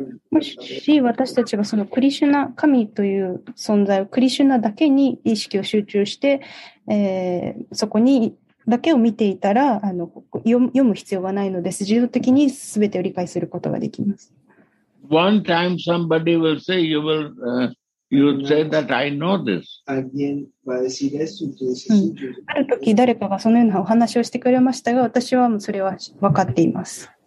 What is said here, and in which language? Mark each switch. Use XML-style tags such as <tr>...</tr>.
<ja>もし私たちがそのクリシュナ、神という存在をクリシュナだけに意識を集中して、そこにだけを見ていたら読む必要はないので、自動的に全てを理解することができます。</ja> <en>One time somebody will say, you say that I know this.</en> <ja>ある時誰かがそのようなお話をしてくれましたが、私はそれは分かっています。</ja>